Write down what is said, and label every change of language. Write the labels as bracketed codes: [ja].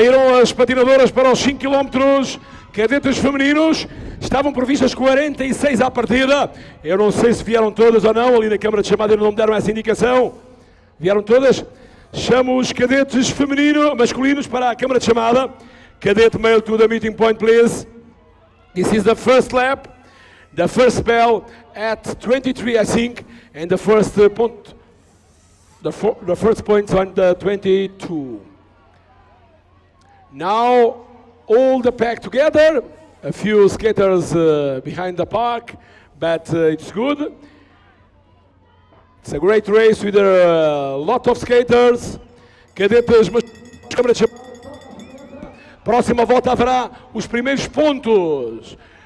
[pt] Saíram as patinadoras para os 5 km, cadetes femininos, estavam previstas 46 à partida, eu não sei se vieram todas ou não, ali na câmara de chamada não me deram essa indicação, vieram todas? Chamo os cadetes masculinos para a câmara de chamada. [en] Cadete male to the meeting point, please. This is the first lap, the first bell at 23, I think, and the first point, the first points on the 22. Now, all the pack together, a few skaters behind the park, but it's good. It's a great race with a lot of skaters. [pt] Cadetes masculinos, próxima volta haverá os primeiros pontos.